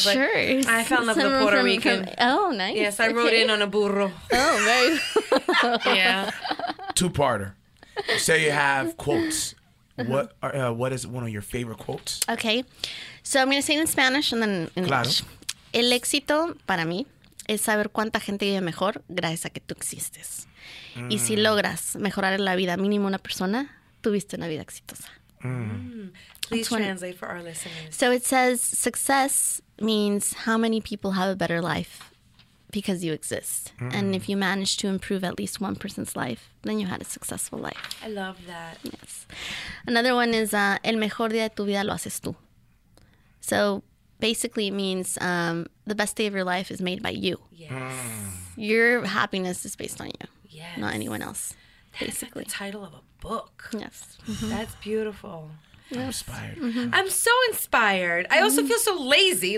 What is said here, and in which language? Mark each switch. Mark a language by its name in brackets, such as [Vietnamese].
[English] But sure. I fell in love with a Puerto Rican. Oh, nice. Yes, I rode in on a burro. Oh, nice. Yeah. Two-parter. Say you have quotes. What are, what is one of your favorite quotes? Okay. So I'm going to say it in Spanish and then in [Spanish] claro. [English] English. [Spanish] El éxito para mí es saber cuánta gente vive mejor gracias a que tú existes. Mm. Y si logras mejorar la vida mínimo una persona, tuviste una vida exitosa. [English] Mm. Please translate for our listeners. So it says, success means how many people have a better life because you exist. Mm. And if you manage to improve at least one person's life, then you had a successful life. I love that. Yes. Another one is, [Spanish] el mejor día de tu vida lo haces tú. [English] So basically it means the best day of your life is made by you. Yes. Mm. Your happiness is based on you. Yes. Not anyone else. That's basically. Like the title of a book. Yes. Mm-hmm. That's beautiful. I'm inspired. Mm-hmm. I'm so inspired. I also feel so lazy.